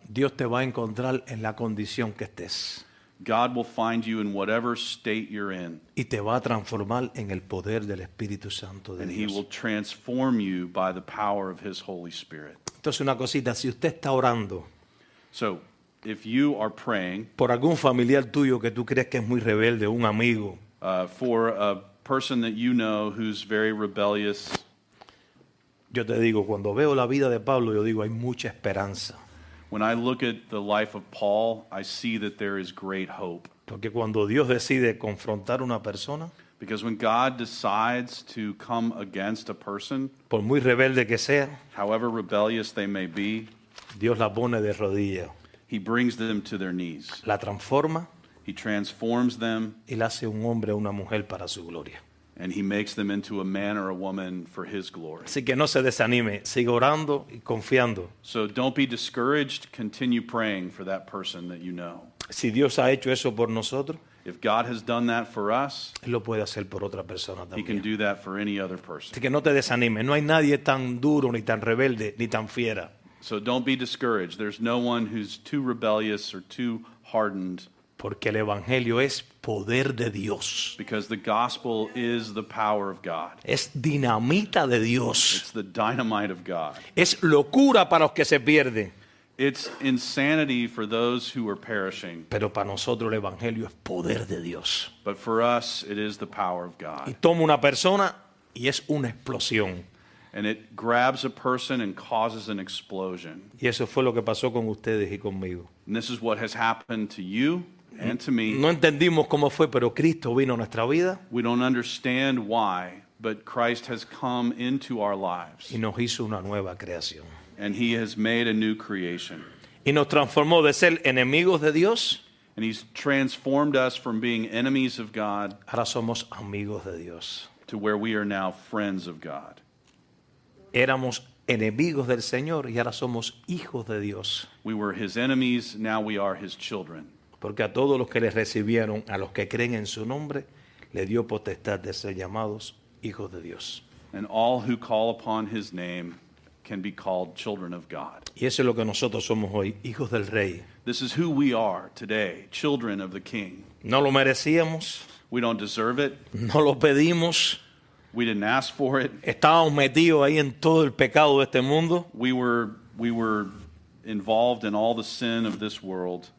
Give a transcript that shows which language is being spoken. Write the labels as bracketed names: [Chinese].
[Spanish] Dios te va a encontrar en la condición que estés. [English] God will find you in whatever state you're in. [Spanish] Y te va a transformar en el poder del Espíritu Santo de [English] and [Spanish] Dios. [English] He will transform you by the power of his Holy Spirit. [Spanish] Entonces una cosita, si usted está orando. [English] So, if you are praying. [Spanish] Por algún familiar tuyo que tú crees que es muy rebelde, un amigo. [English] For a person that you know who's very rebellious. [Spanish] Yo te digo, cuando veo la vida de Pablo, yo digo, hay mucha esperanza. [English] When I look at the life of Paul, I see that there is great hope. [Spanish] Porque cuando Dios decide confrontar una persona, [English] because when God decides to come against a person, [Spanish] por muy rebelde que sea, [English] however rebellious they may be, [Spanish] Dios la pone de rodillas. [English] He brings them to their knees. [Spanish] La transforma. [English] He transforms them. [Spanish] Y la hace un hombre o una mujer para su gloria. [English] And he makes them into a man or a woman for his glory. [Spanish] Así que no se desanime, sigue orando y confiando. [English] So don't be discouraged, continue praying for that person that you know. [Spanish] Si Dios ha hecho eso por nosotros, [English] if God has done that for us, [Spanish] él lo puede hacer por otra persona también. [English] He can do that for any other person. [Spanish] Así que no te desanime, no hay nadie tan duro ni tan rebelde ni tan fiera. [English] So don't be discouraged. There's no one who's too rebellious or too hardened. [Spanish] Porque el evangelio es poder de Dios. [English] Because the gospel is the power of God. [Spanish] Es dinamita de Dios. [English] It's the dynamite of God. [Spanish] Es locura para los que se pierden. [English] It's insanity for those who are perishing. [Spanish] Pero para nosotros el evangelio es poder de Dios. [English] But for us it is the power of God. [Spanish] Y toma una persona y es una explosión. [English] And it grabs a person and causes an explosion. [Spanish] Y eso fue lo que pasó con ustedes y conmigo. [English] And this is what has happened to you and to me. [Spanish] No entendimos cómo fue, pero Cristo vino a nuestra vida. [English] We don't understand why, but Christ has come into our lives. [Spanish] Y nos hizo una nueva creación. [English] And he has made a new creation. [Spanish] Y nos transformó de ser enemigos de Dios. [English] And he's transformed us from being enemies of God. [Spanish] Ahora somos amigos de Dios. [English] To where we are now friends of God. [Spanish] Éramos enemigos del Señor y ahora somos hijos de Dios. [English] We were his enemies, now we are his children. [Spanish] Porque a todos los que les recibieron, a los que creen en su nombre, le dio potestad de ser llamados hijos de Dios. [English] And all who call upon his name can be called children of God. [Spanish] Y eso es lo que nosotros somos hoy, hijos del Rey. [English] This is who we are today, children of the King. [Spanish] No lo merecíamos. [English] We don't deserve it. [Spanish] No lo pedimos. [English] We didn't ask for it. [Spanish] Estábamos metidos ahí en todo el pecado de este mundo. [English] We were involved in all the sin of this world.